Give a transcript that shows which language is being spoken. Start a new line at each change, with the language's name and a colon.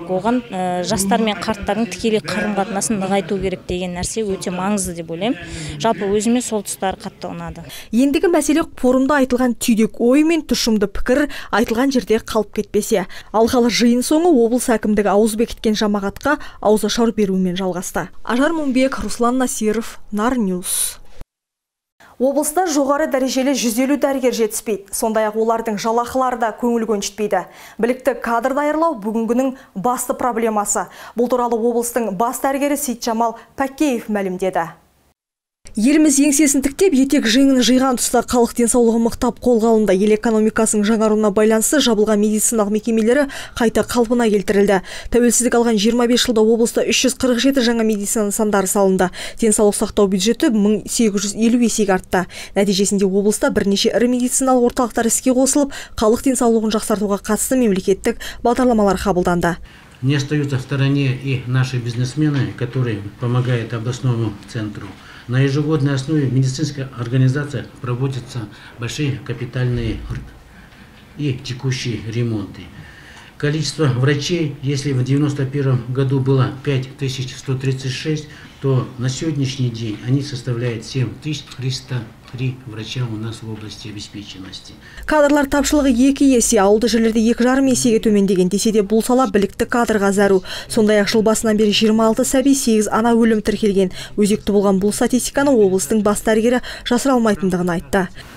Kazakh: Оған жастар мен қарттардың тікелей қарым-қатынасын нығайту керек деген нәрсе өте маңызды деп ойлаймын. Жалпы өзіме сол тұстары қатты ұнады. Ендігі мәселе форумда айтылған түйдек ой мен тұшымды пікір айтылған жерде қалып кетпесе. Алқалы жиын соңы облыс әкімдігі ауыз бекіткен жамағатқа ауызашар берумен жалғасты. Ажар Момбек, Руслан Насиров, Нар Ньюс. Облыста жоғары дәрежелі 150 дәрігер жетіспейді. Сондай-ақ олардың жалақылары да көңіл көншітпейді. Білікті кадр даярлау бүгінгінің басты проблемасы. Бұл туралы облыстың бас дәрігері Сейтжамал Пәкеев мәлімдеді. Еліміз еңсесін тіктеп, етек жиңын жиған тұста қалық денсаулығы мұқтап қолға алында ел экономикасының жаңаруына байланысы жабылған медициналық мекемелері қайта қалпына келтірілді. Тәуелсіздік алған 25 жылда облыста 347 жаңа медицина нысандары салынды. Денсаулық сақтау бюджеті 1850 есеге артты. Нәтижесінде облыста бірнеше ірі медициналық орталықтар іске қосылып, халық денсаулығын жақсартуға қатысты мемлекеттік бағдарламалар қабылданды.
Russian: Не остаются в стороне и наши бизнесмены, которые помогают областному центру. На ежегодной основе в медицинской организации проводятся большие капитальные и текущие ремонты. Количество врачей, если в 1991 году было 5136, то на сегодняшний день они составляют 7303 врача у нас в области обеспеченности.
Kazakh: Кадрлар тапшылығы 2 есе, ауылды жерлерде 2,5 есеге төмендеген десе де бұл сала білікті кадрға зәру. Сондай-ақ жыл басынан бері 26 сәби 8 ана өлім тіркелген. Өзекті болған бұл статистиканы облыстың бас дәрігері жасыра алмайтындығын айтты.